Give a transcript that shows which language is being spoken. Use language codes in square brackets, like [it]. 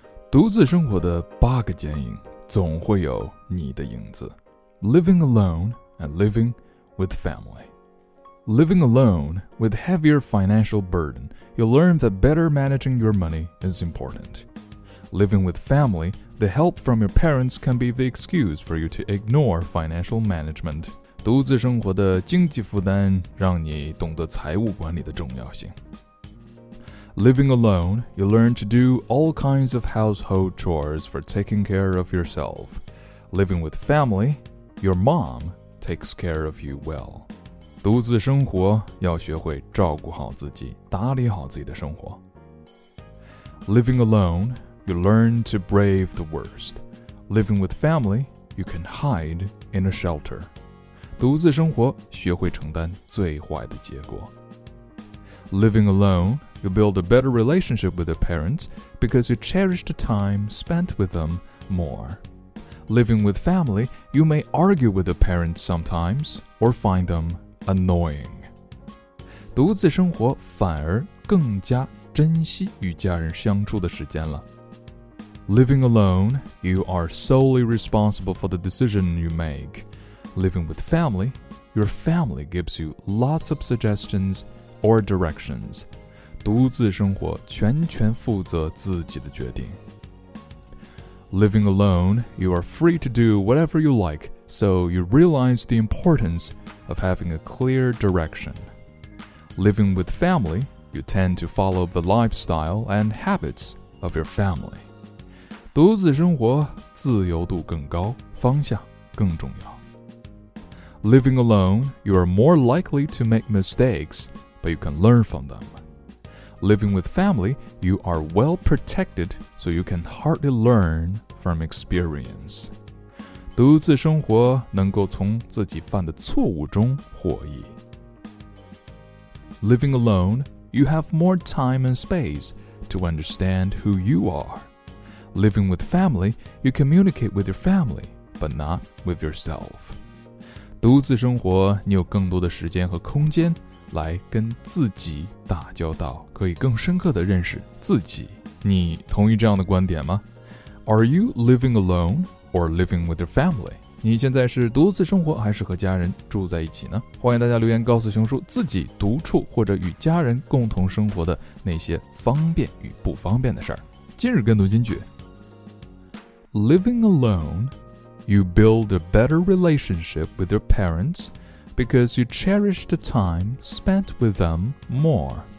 [zh] 独自生活的八个剪影，总会有你的影子。 [en] Living alone and living with family. Living alone with heavier financial burden, you'll learn that better managing your money is important. Living with family, the help from your parents can be the excuse for you to ignore financial management. [zh] 独自生活的经济负担让你懂得财务管理的重要性。 [en] Living alone, you learn to do all kinds of household chores for taking care of yourself. Living with family, your mom takes care of you well. [zh] 独自生活要学会照顾好自己，打理好自己的生活。 [en] Living alone, you learn to brave the worst. Living with family, you can hide in a shelter. [zh] 独自生活学会承担最坏的结果。 [en] Living alone, you build a better relationship with your parents because you cherish the time spent with them more. Living with family, you may argue with your parents sometimes or find them annoying. [zh] 独自生活反而更加珍惜与家人相处的时间了。 [en] Living alone, you are solely responsible for the decision you make. Living with family, your family gives you lots of suggestions or directions. [zh] 独自生活全权负责自己的决定。 [en] Living alone, you are free to do whatever you like, so you realize the importance of having a clear direction. Living with family, you tend to follow the lifestyle and habits of your family. [zh] 独自生活自由度更高，方向更重要。 [en] Living alone, you are more likely to make mistakes, but you can learn from them. Living with family, you are well protected, so you can hardly learn from experience. [zh] 独自生活能够从自己犯的错误中获益。 [en] Living alone, you have more time and space to understand who you are. Living with family, you communicate with your family, but not with yourself. [zh] 独自生活，你有更多的时间和空间来跟自己打交道，可以更深刻地认识自己。你同意这样的观点吗？ [en] Are you living alone or living with your family? [zh] 你现在是独自生活还是和家人住在一起呢？欢迎大家留言告诉熊叔自己独处或者与家人共同生活的那些方便与不方便的事儿。今日跟读金句： [en] Living alone, you build a better relationship with your parents,Because you cherish the time spent with them more.